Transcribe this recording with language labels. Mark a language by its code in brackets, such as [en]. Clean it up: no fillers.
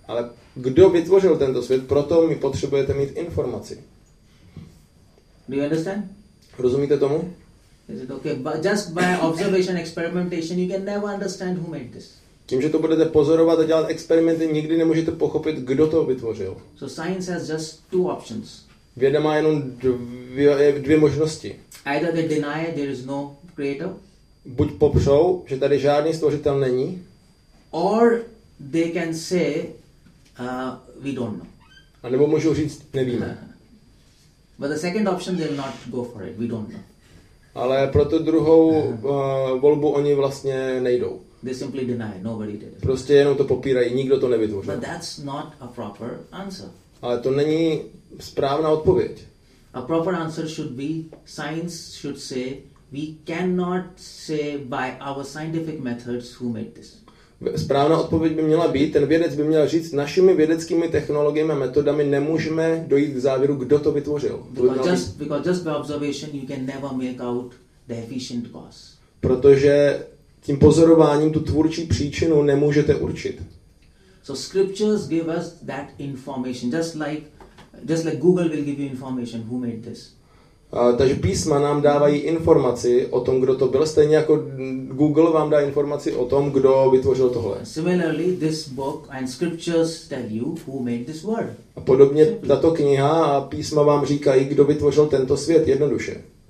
[cs] Ale kdo vytvořil tento svět? Proto mi potřebujete mít informaci. [en] Do you understand? [cs] Rozumíte tomu? [en] Is it okay? But just by observation, experimentation, you can never understand who made this. [cs] Tím, že to budete pozorovat a dělat experimenty, nikdy nemůžete pochopit, kdo to vytvořil. [en] So science has just two options. [cs] Věda má jenom dvě možnosti. [en] Either they deny there is no creator. [cs] Buď popřou, že tady žádný stvořitel není. [en] Or they can say we don't know. [cs] A nebo můžou říct nevíme. [en] But the second option they will not go for it. We don't know. [cs] Ale pro tu druhou volbu oni vlastně nejdou. [en] They simply deny it. Nobody did it. [cs] Prostě jenom to popírají, nikdo to nevytvořil. [en] But that's not a proper answer. [cs] Ale to není správná odpověď. [en] A proper answer should be science should say we cannot say by our scientific methods who made this. [cs] Správná odpověď by měla být, ten vědec by měl říct, našimi vědeckými technologiemi a metodami nemůžeme dojít k závěru, kdo to vytvořil. [en] Because just by observation you can never make out the efficient cause. [cs] Protože tím pozorováním tu tvůrčí příčinu nemůžete určit. [en] So scriptures give us that information, just like Google will give you information who made this. [cs] Takže písma nám dávají informaci o tom, kdo to byl, stejně jako Google vám dá informaci o tom, kdo vytvořil tohle. [en] Similarly, this book and scriptures tell you who made this world. [cs] A podobně tato kniha a písma vám říkají, kdo vytvořil tento svět, jednoduše.